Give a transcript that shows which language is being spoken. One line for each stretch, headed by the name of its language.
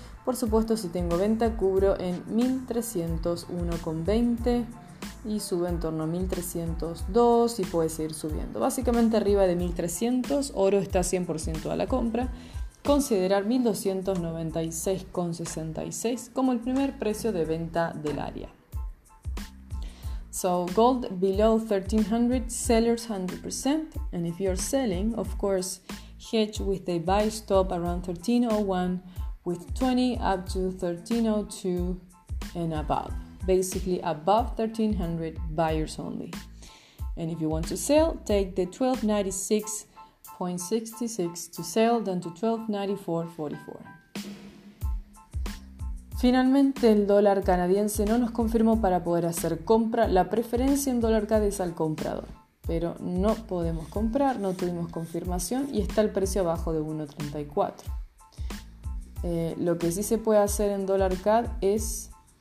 Spanish: Por supuesto, si tengo venta, cubro en 1.301.20 y sube en torno a 1.302 y puede seguir subiendo. Básicamente arriba de 1.300, oro está 100% a la compra. Considerar 1.296.66 como el primer precio de venta del área.
English: So gold below 1300, sellers 100%, and if you're selling, of course, hedge with a buy stop around 1301 with 20 up to 1302 and above. Basically above 1300, buyers only. And if you want to sell, take the 1296.66 to sell, then to 1294.44.
Spanish: Finalmente, el dólar canadiense no nos confirmó para poder hacer compra. La preferencia en dólar CAD es al comprador, pero no podemos comprar, no tuvimos confirmación y está el precio abajo de 1.34. Lo que sí se puede hacer en dólar CAD es